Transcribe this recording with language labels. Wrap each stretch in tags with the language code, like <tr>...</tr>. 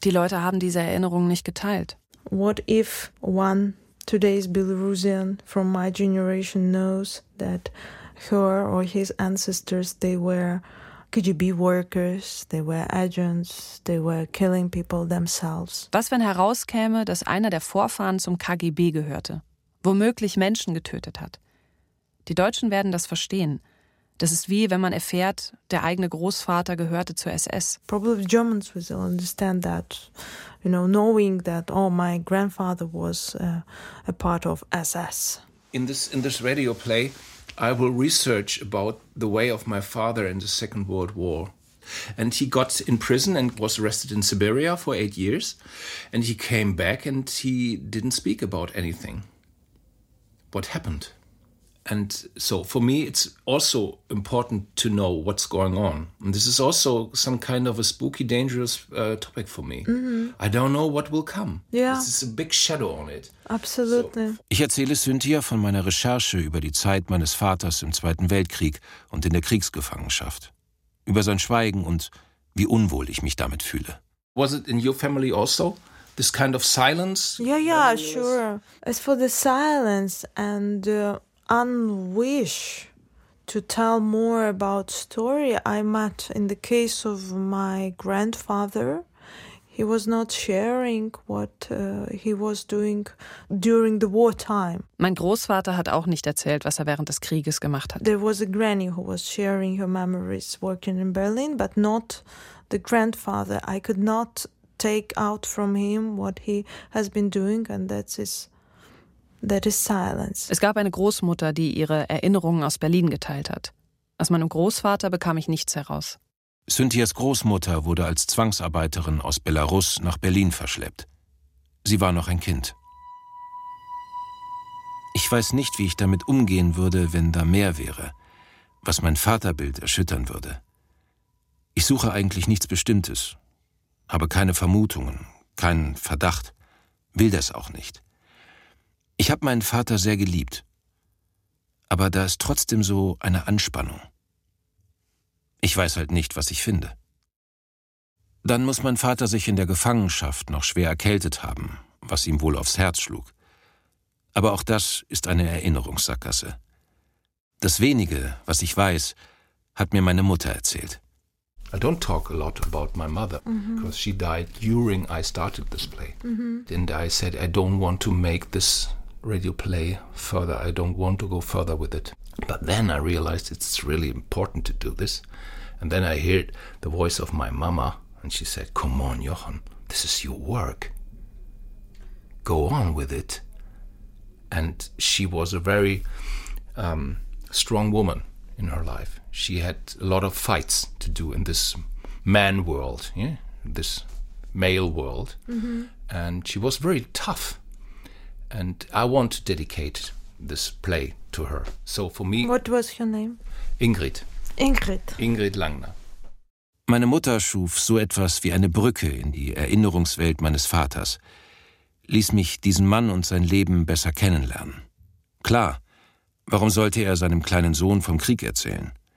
<de>Die Leute haben diese Erinnerung nicht geteilt.</de> <en>What if one today's Belarusian from my generation knows that her or his ancestors, they were KGB workers, they were agents, they were killing people themselves.</en> <de>Was, wenn herauskäme, dass einer der Vorfahren zum KGB gehörte, womöglich Menschen getötet hat? Die Deutschen werden das verstehen. Das ist wie, wenn man erfährt, der eigene Großvater gehörte zur SS.</de> <en>Probably Germans will understand that, you know, knowing that, oh, my grandfather was a part of SS. In this radio play, I will research about the way of my father in the Second World War. And he got in prison and was arrested in Siberia for 8 years. And he came back and he didn't speak about anything. What happened? And so for me, it's also important to know what's going on. And this is also some kind of a spooky, dangerous topic for me. Mm-hmm. I don't know what will come. Yeah. This is a big shadow on it. Absolutely. So.</en> <de>Ich erzähle Cynthia von meiner Recherche über die Zeit meines Vaters im Zweiten Weltkrieg und in der Kriegsgefangenschaft. Über sein Schweigen und wie unwohl ich mich damit fühle.</de> <en>Was it in your family also? This kind of silence? Yeah, sure. As for the silence and unwish to tell more about story I met in the case of my grandfather. He was not sharing what he was doing during the wartime.</en> <de>Mein Großvater hat auch nicht erzählt, was während des Krieges gemacht hat.</de> <en>There was a granny who was sharing her memories working in Berlin, but not the grandfather. I could not take out from him what he has been doing, and that's his. That is silence.</en> <de>Es gab eine Großmutter, die ihre Erinnerungen aus Berlin geteilt hat. Aus meinem Großvater bekam ich nichts heraus. Cynthias Großmutter wurde als Zwangsarbeiterin aus Belarus nach Berlin verschleppt. Sie war noch ein Kind. Ich weiß nicht, wie ich damit umgehen würde, wenn da mehr wäre, was mein Vaterbild erschüttern würde. Ich suche eigentlich nichts Bestimmtes, habe keine Vermutungen, keinen Verdacht, will das auch nicht. Ich habe meinen Vater sehr geliebt, aber da ist trotzdem so eine Anspannung. Ich weiß halt nicht, was ich finde. Dann muss mein Vater sich in der Gefangenschaft noch schwer erkältet haben, was ihm wohl aufs Herz schlug. Aber auch das ist eine Erinnerungssackgasse. Das Wenige, was ich weiß, hat mir meine Mutter erzählt.</de> <en>I don't talk a lot about my mother because she died during I started this play. And I said, I don't want to make this radio play further. I don't want to go further with it. But then I realized it's really important to do this. And then I heard the voice of my mama and she said, come on, Jochen, this is your work. Go on with it. And she was a very strong woman in her life. She had a lot of fights to do in this man world, yeah, this male world. And she was very tough. And I want to dedicate this play to her. So for me... What was your name? Ingrid. Ingrid. Ingrid Langner.</en> <de>Meine Mutter schuf so etwas wie eine Brücke in die Erinnerungswelt meines Vaters, ließ mich diesen Mann und sein Leben besser kennenlernen. Klar, warum sollte er seinem kleinen Sohn vom Krieg erzählen?</de>